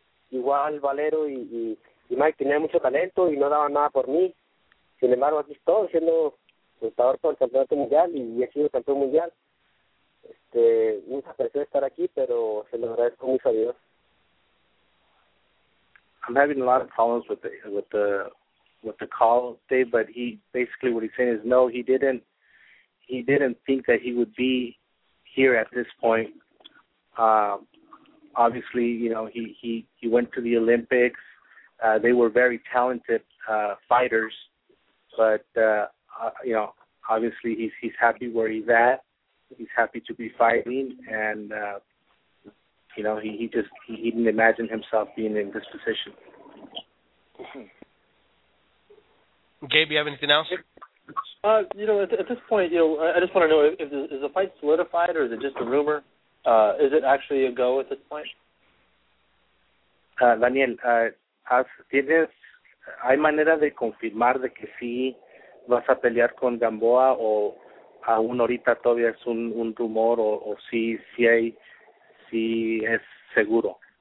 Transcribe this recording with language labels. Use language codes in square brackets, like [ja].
[es] Igual Valero y Mike tenían mucho talento y no daban nada por mí. Sin embargo, aquí estoy siendo luchador por el campeonato mundial y he sido campeón mundial. Mucha presión estar aquí, pero se lo agradezco mucho a Dios. [en] I'm having a lot of problems with the call, Dave, but he basically, what he's saying is no, he didn't think that he would be here at this point. Obviously, you know, he went to the Olympics. They were very talented fighters, but you know, obviously he's happy where he's at. He's happy to be fighting, and you know, he didn't imagine himself being in this position. Gabe, you have anything else? You know, at this point, you know, I just want to know, is the fight solidified or is it just a rumor? Is it actually a go at this point? [es] Daniel, ¿tienes, hay manera de confirmar de que sí vas a pelear con Gamboa o aún ahorita todavía es un rumor o sí es seguro?